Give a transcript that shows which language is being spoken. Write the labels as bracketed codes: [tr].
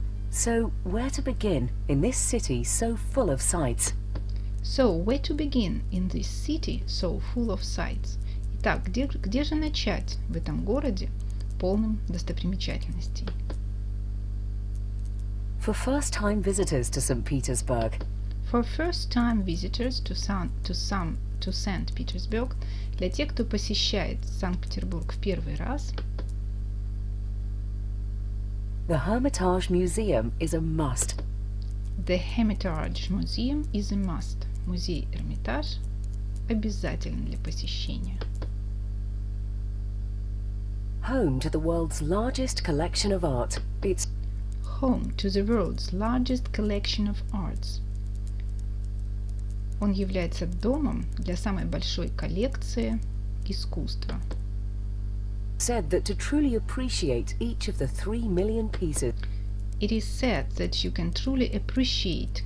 [en] So, where to begin in this city so full of sights? So, where to begin in this city so full of sights? [ru] Итак, где же начать в этом городе, полном достопримечательностей? [en] For first-time visitors to St. Petersburg. For first-time visitors to St. Petersburg. [ru] Для тех, кто посещает Санкт-Петербург в первый раз. [en] The Hermitage Museum is a must. The Hermitage Museum is a must. [ru] Музей Эрмитаж обязателен для посещения. [en] Home to the world's largest collection of art. It's home to the world's largest collection of arts. [ru] Он является домом для самой большой коллекции искусства. [en] Said that to truly appreciate each of the 3 million pieces. It is said that you can truly appreciate.